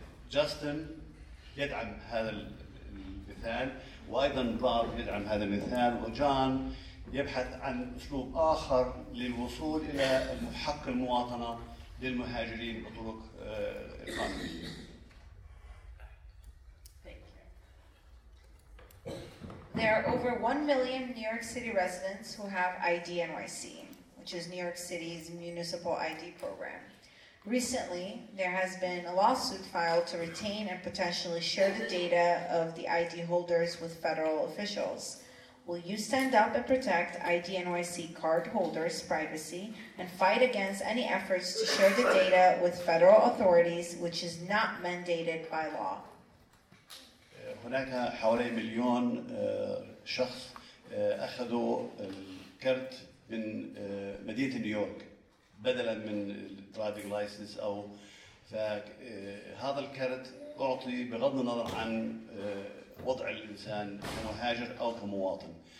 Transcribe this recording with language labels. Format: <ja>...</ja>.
<ar>جاستن يدعم هذا المثال وأيضا باب يدعم هذا المثال وجان يبحث عن أسلوب آخر للوصول إلى حق المواطنة للمهاجرين بطرق قانونية</ar> <en>There are over 1 million New York City residents who have ID NYC, which is New York City's municipal ID program. Recently, there has been a lawsuit filed to retain and potentially share the data of the ID holders with federal officials. Will you stand up and protect ID NYC cardholders' privacy and fight against any efforts to share the data with federal authorities, which is not mandated by law?</en> <ar>هناك حوالي مليون شخص أخذوا الكرت من مدينة نيويورك بدلا من الدرايفنج لايسنس أو فهذا الكرت أعطي بغض النظر عن وضع الإنسان كمهاجر أو كمواطن</ar>